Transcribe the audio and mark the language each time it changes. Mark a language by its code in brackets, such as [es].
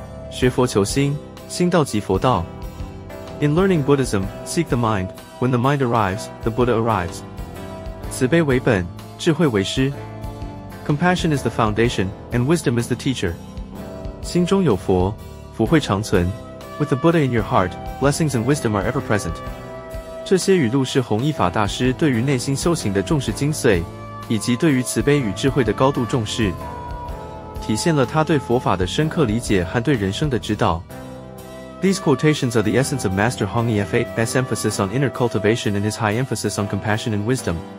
[zh] 学佛求心，心道即佛道。 [en] In learning Buddhism, seek the mind. When the mind arrives, the Buddha arrives. [zh] 慈悲为本，智慧为师。 [en] Compassion is the foundation, and wisdom is the teacher. [zh] 心中有佛，福慧长存。 [en] With the Buddha in your heart, blessings and wisdom are ever present. [zh] 这些语录是弘一法大师对于内心修行的重视精髓，以及对于慈悲与智慧的高度重视，体现了他对佛法的深刻理解和对人生的指导。 [en] These quotations are the essence of Master Hong Yi Fa's emphasis on inner cultivation and his high emphasis on compassion and wisdom.